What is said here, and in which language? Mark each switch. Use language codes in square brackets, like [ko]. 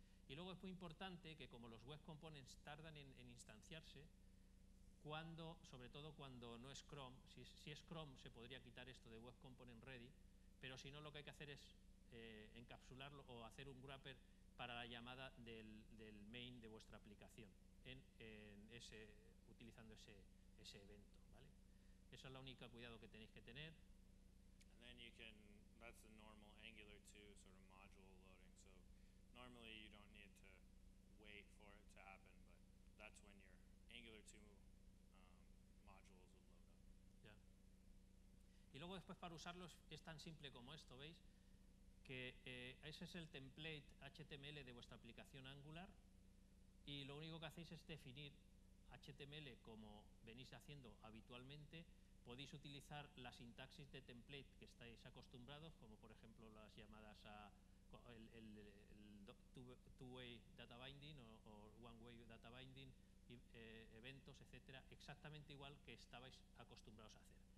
[es] Y luego es muy importante que como los web components tardan en instanciarse, sobre todo cuando no es Chrome, si es Chrome se podría quitar esto de web component ready, pero si no lo que hay que hacer es encapsularlo o hacer un wrapper para la llamada del main de vuestra aplicación utilizando ese evento. ¿Vale? Esa es la única cuidado que tenéis que tener. [en] And then you can that's the normal Angular 2 sort of module loading. So normally you don't need to wait for it to happen, but that's when your Angular 2 modules will load up. Yeah. [es] Y luego después para usarlos es tan simple como esto, ¿veis? Que ese es el template HTML de vuestra aplicación Angular y lo único que hacéis es definir HTML como venís haciendo habitualmente. Podéis utilizar la sintaxis de template que estáis acostumbrados, como por ejemplo las llamadas a el two-way data binding o one-way data binding, eventos, etcétera, exactamente igual que estabais acostumbrados a hacer.